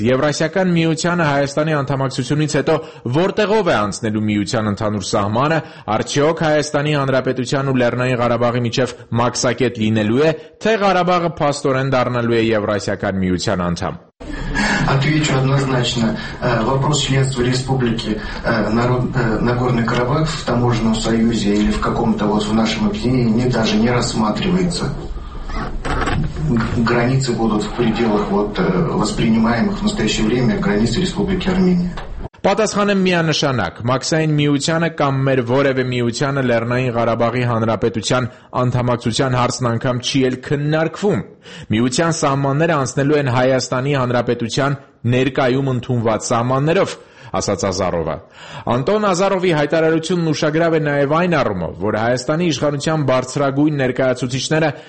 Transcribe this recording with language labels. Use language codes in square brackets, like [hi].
[hy] Եվրասիական միությանը Հայաստանի անդամակցությունից հետո որտեղով է անցնելու միության ընդհանուր սահմանը, արդյոք Հայաստանի Հանրապետության ու Լեռնային Ղարաբաղի միջև մաքսակետ լինելու է, թե Ղարաբաղը փաստորեն դառնալու է Եվրասիական միության անդամ։ [ru] Отвечу однозначно. Вопрос членства республики Нагорный Карабах в таможенном союзе или в каком-то вот в нашем объединении даже не рассматривается. Границы будут в пределах вот воспринимаемых в настоящее время границ республики Армения. [hy] Պատասխանը միանշանակ, մաքսային միությանը կամ մեր որևէ միությանը Լեռնային Ղարաբաղի Հանրապետության անդամակցության հարցն անգամ չի էլ քննարկվում։ Միության սահմանները անցնելու են Հայաստանի Հանրապետության ներկայում ընդունված սահմաններով, ասաց Ազարովը։ Անտոն Ազարովի հայտարարությունն ուշագրավ է նաև այն առումով, որ Հայաստանի իշխանության բարձրագույն ներկայացուցիչները